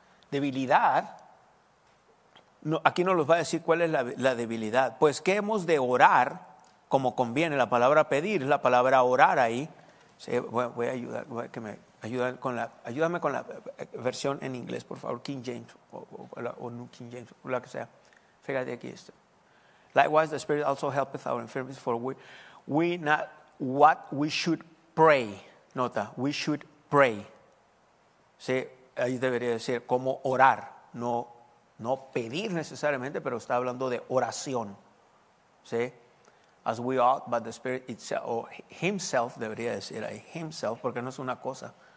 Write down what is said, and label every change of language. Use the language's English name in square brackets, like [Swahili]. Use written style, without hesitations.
[Spanish] Debilidad, no, aquí no los va a decir cuál es la debilidad. Pues que hemos de orar como conviene. La palabra pedir es la palabra orar ahí. Sí, voy a ayudar, voy a que me ayuden con la, ayúdame con la versión en inglés, por favor, King James o New King James, o la que sea. Fíjate aquí esto. [English] Likewise, the Spirit also helpeth our infirmities, for we not what we should pray. Nota, we should pray. [Spanish] Sí, ahí debería decir cómo orar, no pedir necesariamente, pero está hablando de oración. Sí. [English] As we ought, but the Spirit itself, o himself, [Spanish] debería decir ahí, [English] himself, [Spanish] porque no es una cosa.